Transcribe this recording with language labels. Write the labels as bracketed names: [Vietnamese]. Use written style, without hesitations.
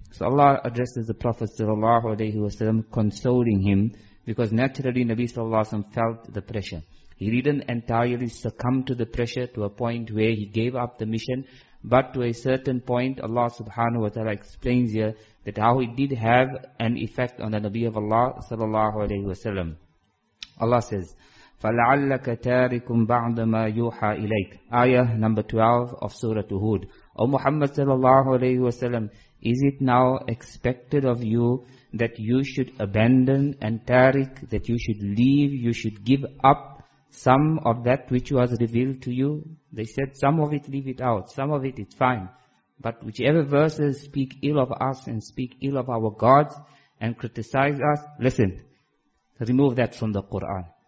[English] So Allah addresses the Prophet sallallahu alayhi wa sallam, consoling him, because naturally Nabi sallallahu alayhi wa sallam felt the pressure. He didn't entirely succumb to the pressure to a point where he gave up the mission, but to a certain point, Allah subhanahu wa ta'ala explains here that how it did have an effect on the Nabi of Allah sallallahu alayhi wa sallam. Allah says, [Arabic] فَلَعَلَّكَ تَارِكُمْ بَعْدَ مَا يُوحَى إِلَيْكَ. [English] Ayah number 12 of Surah Uhud. O Muhammad sallallahu alayhi wa sallam, is it now expected of you that you should abandon and tarik, that you should leave, you should give up some of that which was revealed to you? They said, some of it leave it out, some of it is fine. But whichever verses speak ill of us and speak ill of our gods and criticize us, listen, remove that from the Quran.